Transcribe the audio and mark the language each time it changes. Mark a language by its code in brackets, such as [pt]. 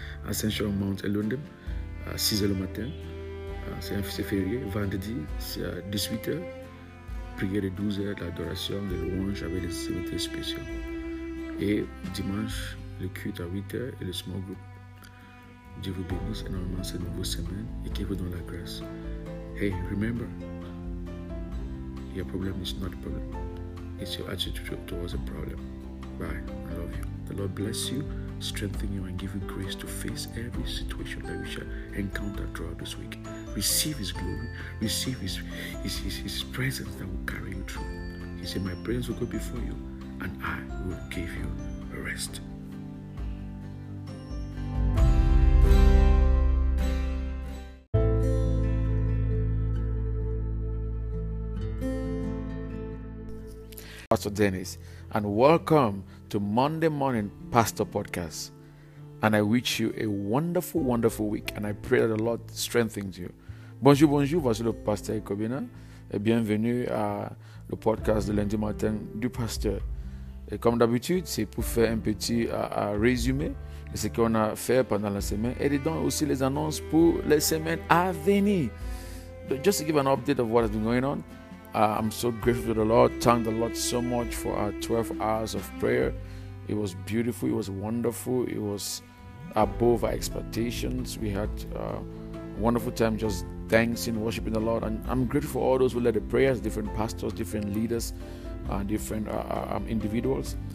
[fr] Ascension au Mont Elundem, à 6h le matin. C'est férié. Vendredi, c'est à 18h. Prière de 12h, l'adoration, les louanges avec les célébrités spéciales. Et dimanche, le culte à 8h et le small group. Dieu vous bénisse énormément cette nouvelle semaine et qu'il vous donne la grâce. [en] Hey, remember, your problem is not a problem. It's your attitude towards a problem. Bye. I love you. The Lord bless you, strengthen you, and give you grace to face every situation that you shall encounter throughout this week. Receive His glory. Receive His presence that will carry you through. He said, my presence will go before you, and I will give you rest. Pastor Dennis, and welcome to Monday Morning Pastor Podcast. And I wish you a wonderful, wonderful week. And I pray that the Lord strengthens you. [fr] Bonjour, bonjour, voici le pasteur Kobina. Et bienvenue à le podcast de lundi matin du pasteur. Et comme d'habitude, c'est pour faire un petit résumé de ce qu'on a fait pendant la semaine. Et dedans aussi les annonces pour les semaines à venir. [en] But just to give an update of what has been going on. I'm so grateful to the Lord. Thank the Lord so much for our 12 hours of prayer. It was beautiful. It was wonderful. It was above our expectations. We had a wonderful time just dancing, worshiping the Lord. And I'm grateful for all those who led the prayers, different pastors, different leaders, and different individuals.